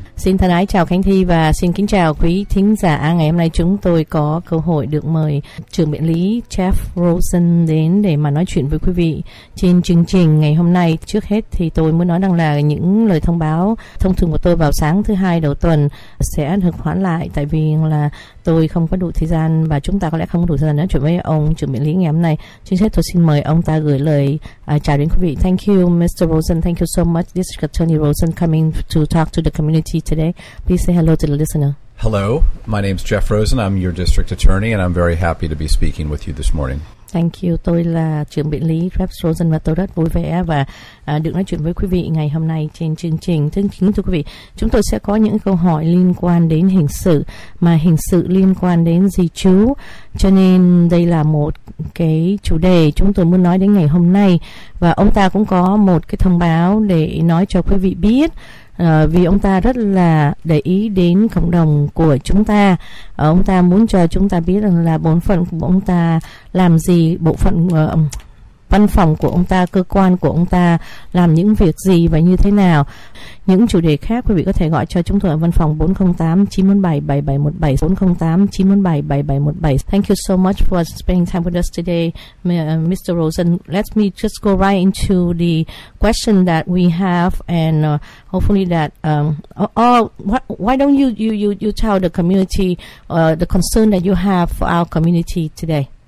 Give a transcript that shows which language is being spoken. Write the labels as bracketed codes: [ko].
[vi] Xin thân ái chào Khánh Thi và xin kính chào quý thính giả. Ngày hôm nay chúng tôi có cơ hội được mời trưởng biện lý Jeff Lawson đến để mà nói chuyện với quý vị trên chương trình ngày hôm nay. Trước hết thì tôi muốn nói rằng là những lời thông báo thông thường của tôi vào sáng thứ hai đầu tuần sẽ được hoãn lại tại vì là tôi không có đủ thời gian và chúng ta có lẽ không có đủ thời gian nói chuyện với ông trưởng biện lý ngày hôm nay. Trước hết tôi xin mời ông ta gửi lời chào đến quý vị. [en] Thank you, Mr. Rosen. Thank you so much, District Attorney Rosen, coming to talk to the community today. Please say hello to the listener. Hello, my name is Jeff Rosen. I'm your District Attorney, and I'm very happy to be speaking with you this morning. Thank you. [vi] Tôi là trưởng biện lý Jeff Rosen và tôi rất vui vẻ và được nói chuyện với quý vị ngày hôm nay trên chương trình. Thưa quý vị, chúng tôi sẽ có những câu hỏi liên quan đến hình sự, mà hình sự liên quan đến di trú. Cho nên đây là một cái chủ đề chúng tôi muốn nói đến ngày hôm nay. Và ông ta cũng có một cái thông báo để nói cho quý vị biết. Vì ông ta rất là để ý đến cộng đồng của chúng ta. Ông ta muốn cho chúng ta biết rằng là bổn phận của ông ta làm gì, bộ phận văn phòng của ông ta, cơ quan của ông ta làm những việc gì và như thế nào. Những chủ đề khác quý vị có thể gọi cho chúng tôi ở văn phòng 408-947-7717, 408-947-7717. [en] Thank you so much for spending time with us today, Mr. Rosen. Let me just go right into the question that we have and hopefully that why don't you tell the community the concern that you have for our community today?